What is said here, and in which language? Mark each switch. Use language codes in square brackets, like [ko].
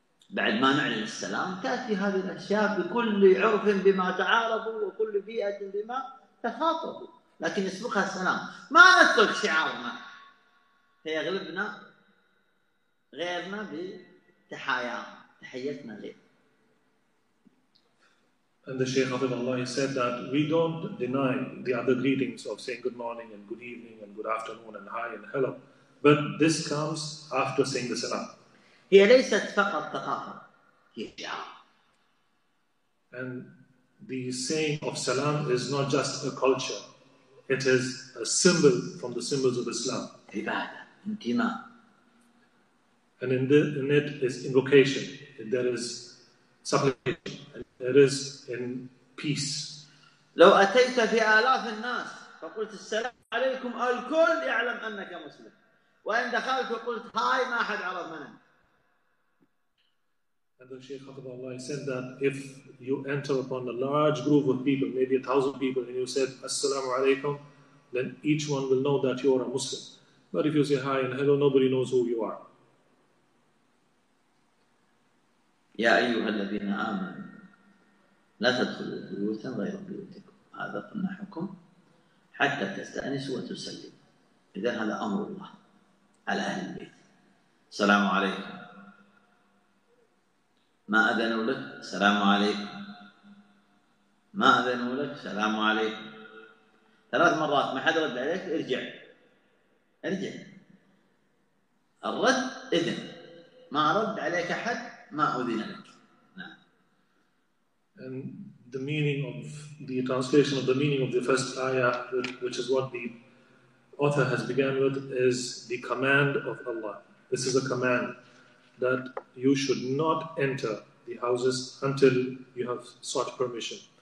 [ar] بعد ما نعلن السلام تأتي هذه الأشياء بكل عرف بما تعارفوا وكل بيئة بما تخاطبوا، لكن نسبقها السلام. ما نترك شعارنا، هي غلبنا غيرنا بتحايا تحيتنا ليه. [en] And the Shaykh Hafidh Allah, he said that we don't deny the other greetings of saying good morning and good evening and good afternoon and hi and hello, but this comes after saying the salam. [ar] هي ليست فقط ثقافة، هي شعار. [en] And the saying of salam is not just a culture, it is a symbol from the symbols of Islam. [ar] عبادة، انتماء. [en] And in it is invocation, there is supplication. It is in peace. [ar] لو أتيت في آلاف الناس فقلت السلام عليكم الكل يعلم أنك مسلم، وإن دخلت وقلت هاي ما أحد عرف من أنت. [en] And the Shaykh of Allah said that if you enter upon a large group of people, maybe 1,000 people, and you said [ar] Assalamu alaikum, [en] then each one will know that you are a Muslim. But if you say hi and hello, nobody knows who you are. [ar] يا أيها الذين آمنوا لا تدخلوا بيوتا غير بيوتكم، هذا النحوكم حتى تستأنسوا وتسلموا. إذن هذا أمر الله على أهل البيت. السلام عليكم، ما أذنوا لك؟ السلام عليكم، ما أذنوا لك؟ السلام عليكم. ثلاث مرات ما حد رد عليك، ارجع ارجع. الرد إذن، ما رد عليك أحد ما أذن لك. [en] And the meaning of the translation of the meaning of the first ayah, which is what the author has begun with, is the command of Allah. This is a command that you should not enter the houses until you have sought permission.